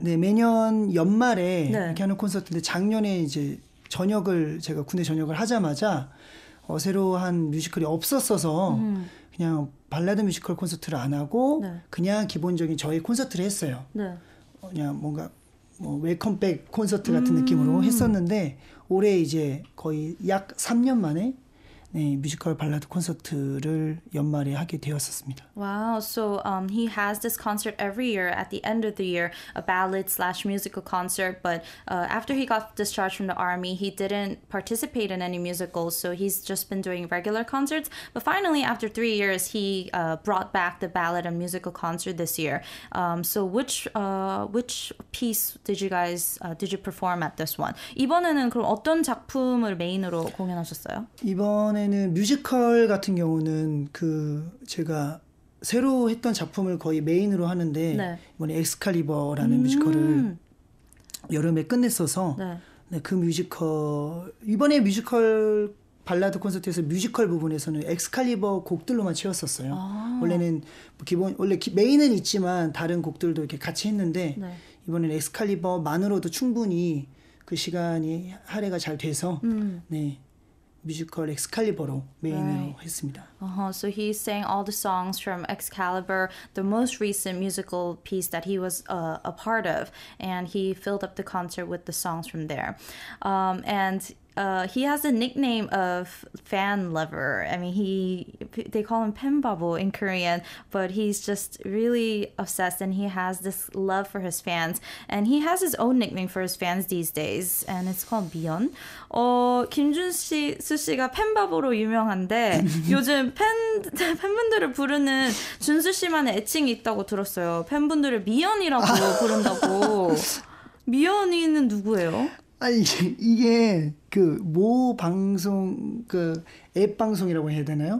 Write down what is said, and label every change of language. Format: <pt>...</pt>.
<ko>네, 매년 연말에 이렇게 하는 콘서트인데 작년에 이제 전역을 제가 군대 전역을 하자마자 새로 한 뮤지컬이 없었어서 그냥 발라드 뮤지컬 콘서트를 안 하고 그냥 기본적인 저의 콘서트를 했어요. 그냥 뭔가 뭐 웰컴백 콘서트 같은 느낌으로 했었는데 올해 이제 거의 약 3년 만에 네, 뮤지컬 발라드 콘서트를 연말에 하게 되었었습니다.</ko> <en>Wow, so he has this concert every year at the end of the year, a ballad slash musical concert. But after he got discharged from the army, he didn't participate in any musicals, so he's just been doing regular concerts. But finally, after 3 years, he brought back the ballad and musical concert this year. So which piece did you perform at this one?</en> <ko>이번에는 그럼 어떤 작품을 메인으로 공연하셨어요? 이번에는 뮤지컬 같은 경우는 그 제가 새로 했던 작품을 거의 메인으로 하는데 이번에 엑스칼리버라는 뮤지컬을 여름에 끝냈어서 네, 그 뮤지컬 이번에 뮤지컬 발라드 콘서트에서 뮤지컬 부분에서는 엑스칼리버 곡들로만 채웠었어요. 원래는 기본 원래 메인은 있지만 다른 곡들도 이렇게 같이 했는데 이번에는 엑스칼리버만으로도 충분히 그 시간이 할애가 잘 돼서 네. 뮤지컬 엑스칼리버로 메인으로 했습니다.</ko> <en>So he sang all the songs from Excalibur, the most recent musical piece that he was a part of, and he filled up the concert with the songs from there. And He has a nickname of fan lover. I mean, they call him Pembabu in Korean, but he's just really obsessed and he has this love for his fans. And he has his own nickname for his fans these days, and it's called Byeon.</en> <ko>김준수 씨가 팬바보로 유명한데 요즘 팬분들을 부르는 준수 씨만의 애칭이 있다고 들었어요. 팬분들을 미연이라고 부른다고. 미연이는 누구예요? 아니 이게 그 모 방송 그 앱 방송이라고 해야 되나요?</ko>